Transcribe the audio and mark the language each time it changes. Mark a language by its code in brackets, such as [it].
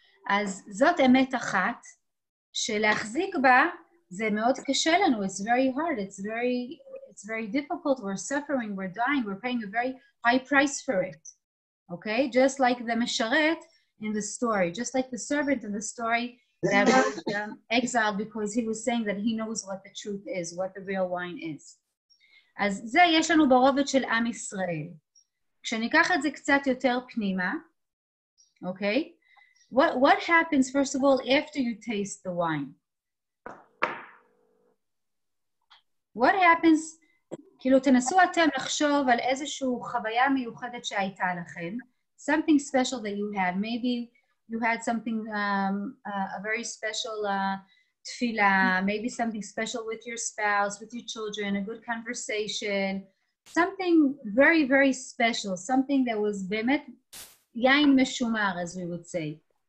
[he] אז זאת אמת אחת, שלהחזיק בה זה מאוד קשה לנו. [en] It's very hard, it's very difficult, we're suffering, we're dying, we're paying a very high price for it. Okay? Just like the משרת in the story, just like the servant in the story that was exiled because he was saying that he knows what the truth is, what the real wine is. [he] אז זה יש לנו ברובד של עם ישראל. כשניקח את זה קצת יותר פנימה, אוקיי? [en] What happens, first of all, after you taste the wine? What happens, [he] כאילו תנסו אתם לחשוב על איזשהו חוויה מיוחדת שהייתה לכם, [en] something special that you had, maybe you had something, a very special tefillah, maybe something special with your spouse, with your children, a good conversation, something very, very special, something that was [he] באמת יין משומר, [en] as we would say.